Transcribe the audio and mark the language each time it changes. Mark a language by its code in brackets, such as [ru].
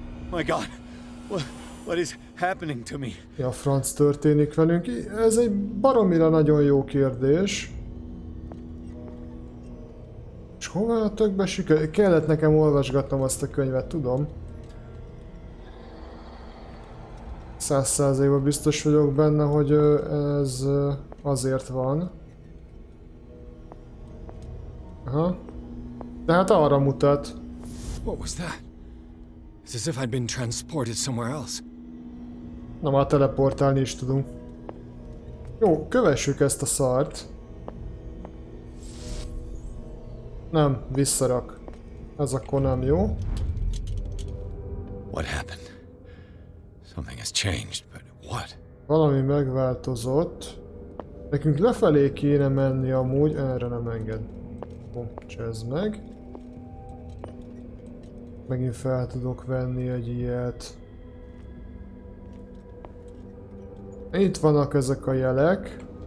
[en] My God, what is happening to me? [hu] Mi a franc történik velünk? Ez egy baromira nagyon jó kérdés. És hová a tökbe sikerült? Kellett nekem olvasgatnom azt a könyvet, tudom. 100%-ban biztos vagyok benne, hogy ez azért van. Aha. Tehát arra mutat. [en] What was that? It's as if I'd been transported somewhere else. [hu] Na már teleportálni is tudunk. Jó, kövessük ezt a szart. Nem, visszarak. Ez akkor nem jó. [en] What happened? Something has changed, but what? [hu] Valami megváltozott. Nekünk lefelé kéne menni amúgy, erre nem enged. Csezd meg. Megint fel tudok venni egy ilyet. Itt vannak ezek a jelek.